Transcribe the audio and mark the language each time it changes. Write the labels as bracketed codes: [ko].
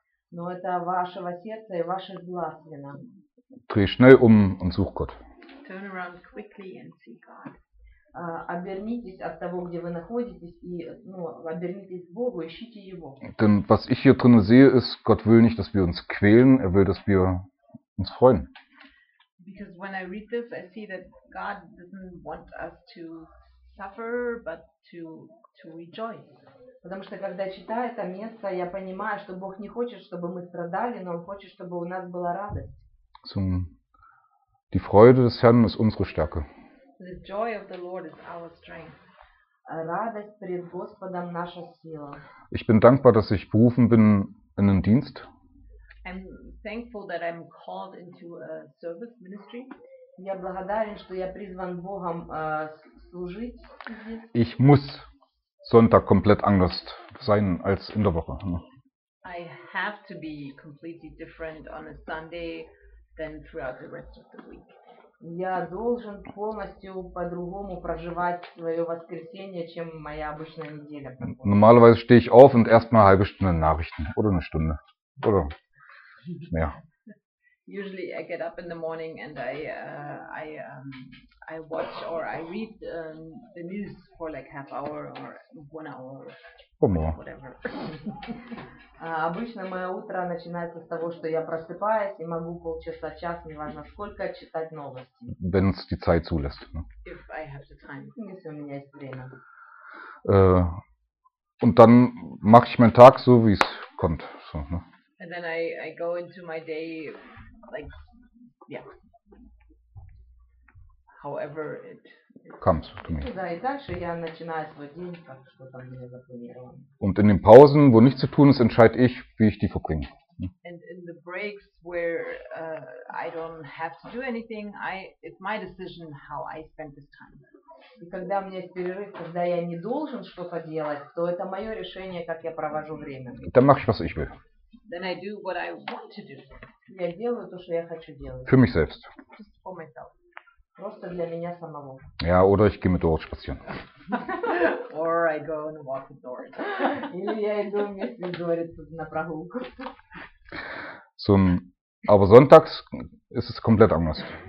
[ru] Но это вашего сердца и ваших глаз вина. [de] Dreh schnell um und such Gott. [en] Turn around quickly and see God. [ru] Обернитесь от того, где вы находитесь, и обернитесь к Богу, ищите Его. [de] Denn was ich hier drin sehe, ist, Gott will nicht, dass wir uns quälen, er will, dass wir uns freuen. [en] Because when I read this, I see that God doesn't want us to suffer, but to rejoice. [ru] Потому что когда читаю это место, я понимаю, что Бог не хочет, чтобы мы страдали, но Он хочет, чтобы у нас была радость. [de] Die Freude des Herrn ist unsere Stärke. [en] The joy of the Lord is our strength. [ru] Радость пред Господом наша сила. [de] Ich bin dankbar, dass ich berufen bin in den Dienst. [en] I'm thankful that I'm called into a service ministry. [ru] Я благодарен, что я призван Богом служить. [de] Ich muss Sonntag komplett anders sein als in der Woche. [en] I have to be completely different on a Sunday than throughout the rest of the week. [ru] Я должен полностью по-другому проживать свое воскресенье, чем моя обычная неделя. [de] Normalerweise stehe ich auf und erstmal halbe Stunde Nachrichten oder eine Stunde oder mehr. [en] Usually I get up in the morning and I watch or I read the news for like half hour or one hour or whatever. [ru] Обычно мое утро начинается с того, что я просыпаюсь и могу полчаса, час, неважно сколько, читать новости. [de] Wenn es die Zeit zulässt. [en] If I have the time. [ru] Если у меня есть время. [de] Und dann mache ich meinen Tag so, wie es kommt. So, ne? [en] And then I go into my day. Like, yeah. However it comes to me. [ru] Да, и дальше я начинаю свой день, как что там мне запланировано. [de] Und in den Pausen, wo nichts zu tun ist, entscheide ich, wie ich die verbringe. [en] And in the breaks where I don't have to do anything, it's my decision how I spend this time. [ru] И когда у меня есть перерыв, когда я не должен что-то делать, то это мое решение, как я провожу время. [de] Dann mache ich, was ich will. [en] Then I do what I want to do. [ru] Я делаю то, что я хочу делать. [de] Für mich selbst. [en] Just for myself. [ru] Просто для меня самого. [de] Ja, oder ich gehe mit Doris spazieren. [en] Or I go and walk with Doris. [ru] Или я иду вместе с Doris на прогулку. [de] So, aber sonntags ist es komplett anders.